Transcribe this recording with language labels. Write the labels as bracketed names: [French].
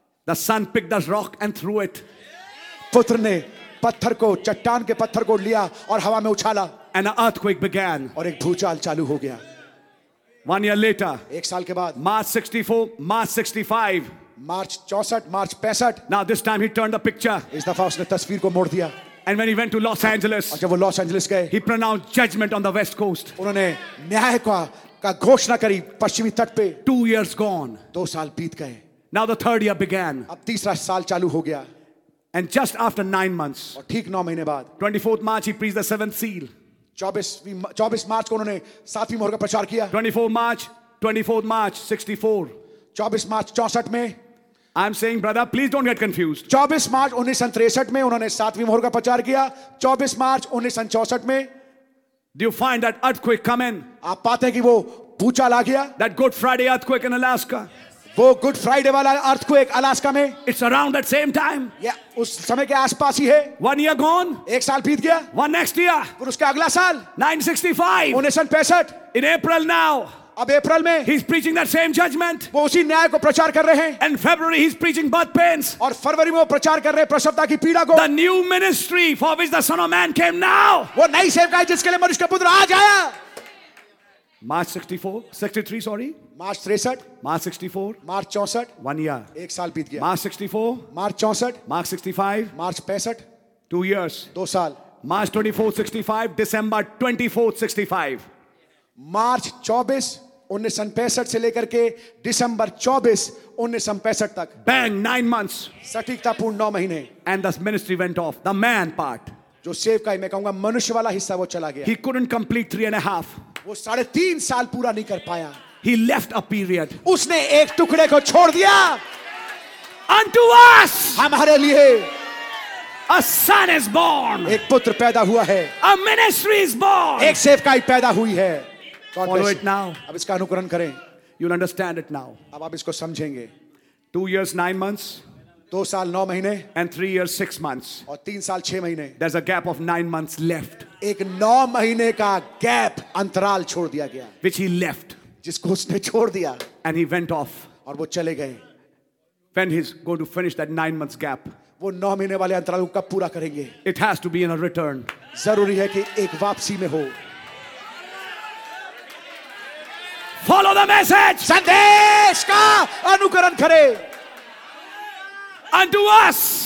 [English] The son picked the rock and threw it. [Hindi] पुत्र ने पत्थर को चट्टान के पत्थर को लिया और हवा में उछाला. [English] And an earthquake began. [Hindi] और एक भूचाल चालू हो गया. [English] 1 year later. [Hindi] एक साल के बाद. [English] March 64, March 65. [Hindi] March 64, March 65. [English] Now this time he turned the picture. [Hindi] इस दफा उसने तस्वीर को मोड़ दिया. [English] And when he went to Los Angeles. [Hindi] और जब वो लॉस एंजलिस गए. [English] He pronounced judgment on the west coast. [Hindi] उन्होंने न्याय का घोषणा करी पश्चिमी तट पे. [English] 2 years gone. [Hindi] 2 साल बीत गए. [English] Now the third year began. [Hindi] अब तीसरा साल चालू हो गया. [English] And just after 9 months. [Hindi] और ठीक 9 महीने बाद. [English] 24th March he preached the seventh seal. [Hindi] 24 मार्च को उन्होंने सातवीं मोहर का प्रचार किया. 24 मार्च 64 में. [English] I'm saying, brother, please don't get confused. [Hindi] 24 मार्च 1963 में उन्होंने सातवीं मोहर का प्रचार किया. 24 मार्च 1964 में. [English] Do you find that earthquake coming? [Hindi] आप पाते हैं कि वो भूचाल आ गया. [English] That Good Friday earthquake in Alaska. [Hindi] वो गुड फ्राइडे वाला अर्थक्वेक अलास्का में. [English] It's around that same time. [Hindi] या उस समय के आसपास ही है. [English] 1 year gone. [Hindi] एक साल बीत गया. [English] 1 next year. [Hindi] फिर उसके अगला साल. [English] 1965. [Hindi] 1965. [English] In April now. [Hindi] अब अप्रैल में. [English] He's preaching that same judgment. [Hindi] वो उसी न्याय को प्रचार कर रहे हैं. [English] And February he's preaching birth pains. [Hindi] और फरवरी में वो प्रचार कर रहे हैं प्रसवता की पीड़ा को. [English] The new ministry for which the Son of Man came now. [Hindi] वो नई सेवकाई जिसके लिए मनुष्य का पुत्र आज आया. [English] March 63 sorry. [Hindi] मार्च 63. [English] मार्च 64. [Hindi] मार्च 64. [English] 1 year. [Hindi] एक साल बीत गया. [English] मार्च 64. [Hindi] मार्च 64. [English] मार्च 65. [Hindi] मार्च 65. [English] 2 years. [Hindi] 2 साल. [English] मार्च 24 65. दिसंबर 24 65. [Hindi] मार्च 24 1965 से लेकर के दिसंबर 24 1965 तक. [English] Bang 9 months. [Hindi] सटीकता पूर्ण 9 महीने. [English] And the ministry went of the man part. [Hindi] जो सेवकाई मैं कहूंगा मनुष्य वाला हिस्सा वो चला गया. [English] He couldn't complete 3.5. [Hindi] वो 3.5 साल पूरा नहीं कर पाया. [English] He left a period. [Hindi] उसने एक टुकड़े को छोड़ दिया. [English] Unto us. [Hindi] हमारे लिए. [English] A son is born. [Hindi] एक पुत्र पैदा हुआ है. [English] A ministry is born. [Hindi] एक सेवकाई पैदा हुई है. [English] Follow it now. [Hindi] अब इसका अनुकरण करें. [English] You'll understand it now. [Hindi] अब आप इसको समझेंगे. [English] 2 years 9 months. [Hindi] 2 साल 9 महीने. [English] And 3 years 6 months. [Hindi] और 3 साल 6 महीने. [English] There's a gap of 9 months left. [Hindi] एक 9 महीने का गैप अंतराल छोड़ दिया गया. [English] Which he left. [Hindi] जिसको उसने छोड़ दिया. [English] And he went off. [Hindi] और वो चले गए. [English] When he's going to finish that 9 months gap. [Hindi] वो 9 महीने वाले अंतराल कब पूरा करेंगे. [English] It has to be in a return. [Hindi] जरूरी है कि एक वापसी में हो. [English] follow the message. [Hindi] Sandesh ka anukaran kare. [English] Unto us,